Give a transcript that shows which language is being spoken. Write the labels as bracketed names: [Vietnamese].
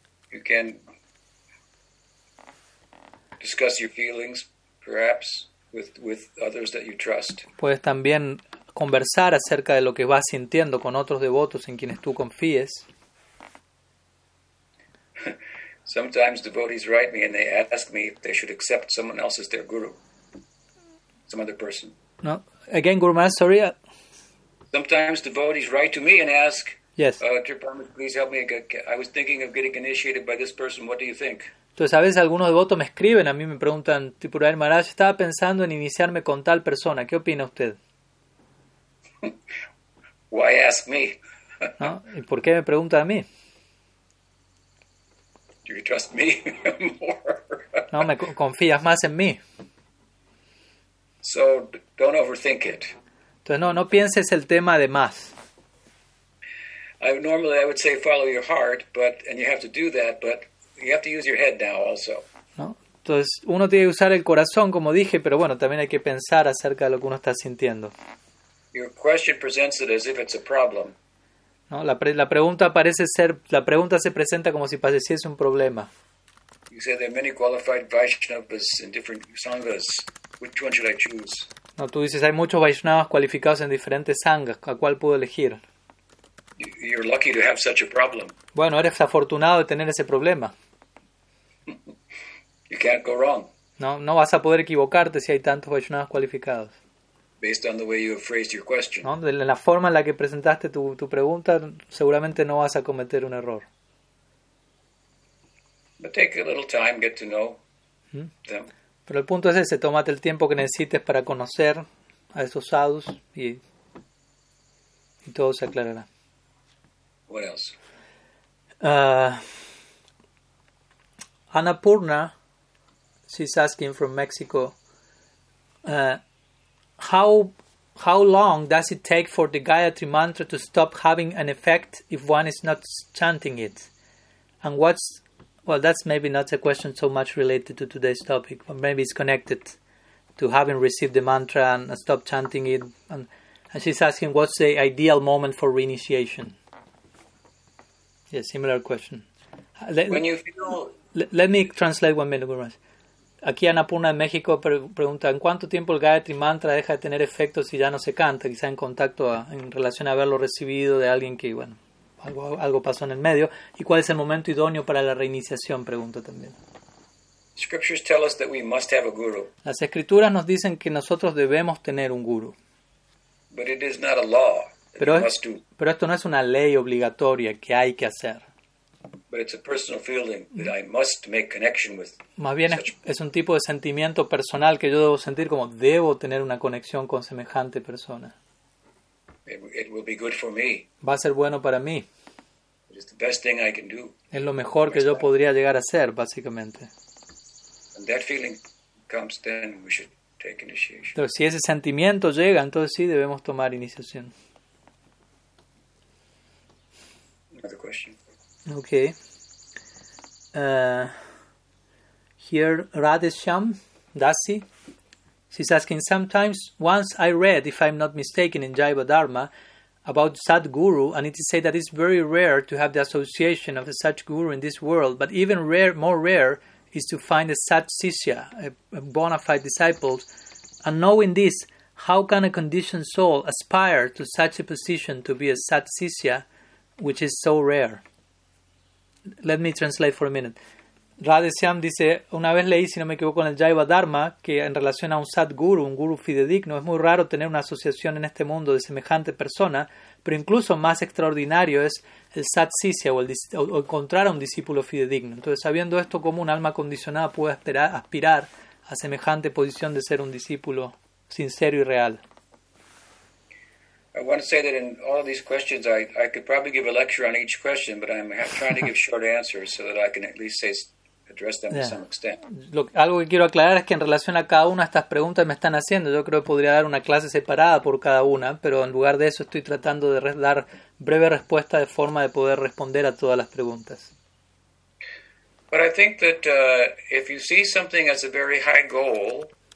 [English] You can discuss your feelings, perhaps, with others that you trust. [Spanish] Puedes también conversar acerca de lo que vas sintiendo con otros devotos en quienes tú confíes. [English] Sometimes devotees write me and they ask me if they should accept someone else as their guru. Some other person. No, again, Guru Maharaj, sorry. Sometimes devotees write to me and ask, yes, please help me. I was thinking of getting initiated by this person. What do you think? [Spanish] Entonces, a veces algunos devotos me escriben a mí, me preguntan, Tripurari Maharaj, estaba pensando en iniciarme con tal persona. ¿Qué opina usted? [English] Why ask me? [Spanish] ¿No? ¿Y por qué me pregunta a mí? [English] Do you trust me more? [Spanish] No, me confías más en mí. [English] So don't overthink it. [Spanish] Entonces no pienses el tema de más. [English] Normally I would say follow your heart, but and you have to do that, but you have to use your head now also. [Spanish] No, entonces uno tiene que usar el corazón, como dije, pero bueno, también hay que pensar acerca de lo que uno está sintiendo. [English] Your question presents it as if it's a problem. [Spanish] No, la pregunta parece ser, la pregunta se presenta como si pareciese un problema. [English] You say there are many qualified Vaishnavas in different sanghas. Which one should I choose? [Spanish] No, tú dices hay muchos Vaishnavas cualificados en diferentes sanghas. ¿A cuál puedo elegir? [English] You're lucky to have such a problem. [Spanish] Bueno, eres afortunado de tener ese problema. [English] You can't go wrong. [Spanish] No vas a poder equivocarte si hay tantos Vaishnavas cualificados. [English] Based on the way you have phrased your question. [Spanish] No, de la forma en la que presentaste tu pregunta, seguramente no vas a cometer un error. [English] But take a little time, get to know them. [Spanish] Pero el punto es ese, tómate el tiempo que necesites para conocer a esos sadhus y todo se aclarará. [English] What else? Annapurna, she's asking from Mexico, how long does it take for the Gayatri Mantra to stop having an effect if one is not chanting it? And what's, well, that's maybe not a question so much related to today's topic, but maybe it's connected to having received the mantra and stopped chanting it. And she's asking, what's the ideal moment for reinitiation? Yeah, similar question. Let me translate 1 minute, Guru Maharaj. [Spanish] Aquí Annapurna en México pregunta, ¿en cuánto tiempo el Gayatri Mantra deja de tener efecto si ya no se canta? Quizá en contacto, en relación a haberlo recibido de alguien que, bueno, algo pasó en el medio. ¿Y cuál es el momento idóneo para la reiniciación? Pregunta también. [English] Scriptures tell us that we must have a guru. [Spanish] Las escrituras nos dicen que nosotros debemos tener un guru. [English] But it is not a law. [Spanish] Pero esto no es una ley obligatoria que hay que hacer. [English] But it's a personal feeling that I must make connection with. [Spanish] Más bien es un tipo de sentimiento personal que yo debo sentir, como debo tener una conexión con semejante persona. [English] It will be good for me. [Spanish] Va a ser bueno para mí. [English] It is the best thing I can do. [Spanish] Es lo mejor que yo podría llegar a ser, básicamente. [English] And that feeling comes, then we should take initiation. [Spanish] Pero si ese sentimiento llega, entonces sí debemos tomar iniciación. [English] Another question. Okay. Here, Radhesham Dasi, she's asking, sometimes, once I read, if I'm not mistaken, in Jaiva Dharma, about Sadguru, and it is said that it's very rare to have the association of a such guru in this world, but even more rare is to find a Sad Sishya, a bona fide disciple. And knowing this, how can a conditioned soul aspire to such a position to be a Sad Sishya, which is so rare? Let me translate for a minute. [Spanish] Radhesham dice, una vez leí, si no me equivoco, en el Jaiva Dharma, que en relación a un Sadguru, un Guru fidedigno, es muy raro tener una asociación en este mundo de semejante persona, pero incluso más extraordinario es el Sat Sisya, o encontrar a un discípulo fidedigno. Entonces, sabiendo esto, ¿cómo un alma condicionada puede aspirar a semejante posición de ser un discípulo sincero y real? [English] I want to say that in all these questions, I could probably give a lecture on each question, but I'm trying to give short answers so that I can at least say address them to some extent. [Spanish] Algo que quiero aclarar es que en relación a cada una de estas preguntas me están haciendo, yo creo que podría dar una clase separada por cada una, pero en lugar de eso estoy tratando de dar breve respuesta de forma de poder responder a todas las preguntas. [English] But I think that if you see something as a very high goal,